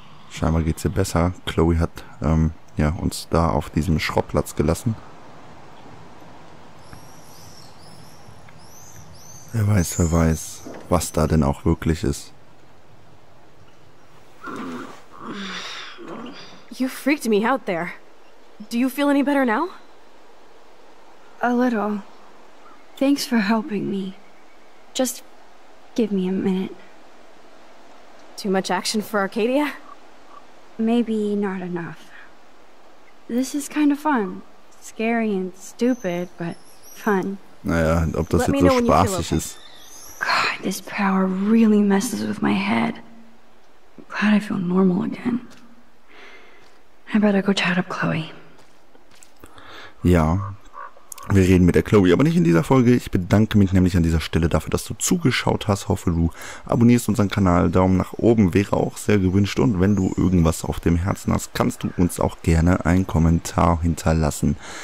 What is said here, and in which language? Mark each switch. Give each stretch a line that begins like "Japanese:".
German: Scheinbar geht's ihr besser. Chloe hat ja, uns da auf diesem Schrottplatz gelassen. Wer weiß, was da denn auch wirklich ist.
English: You freaked me out there. Do you feel any better now? A little. Thanks for helping me. Just give me a minute. Too much action for Arcadia? Maybe not enough. This is kind of fun. Scary and stupid, but fun.
German: Naja, ob das jetzt so spaßig ist.
English: God, this power really messes with my head. I'm glad I feel normal again. I better go chat up Chloe.
German: Ja, wir reden mit der Chloe, aber nicht in dieser Folge. Ich bedanke mich nämlich an dieser Stelle dafür, dass du zugeschaut hast. Hoffe, du abonnierst unseren Kanal. Daumen nach oben wäre auch sehr gewünscht. Und wenn du irgendwas auf dem Herzen hast, kannst du uns auch gerne einen Kommentar hinterlassen.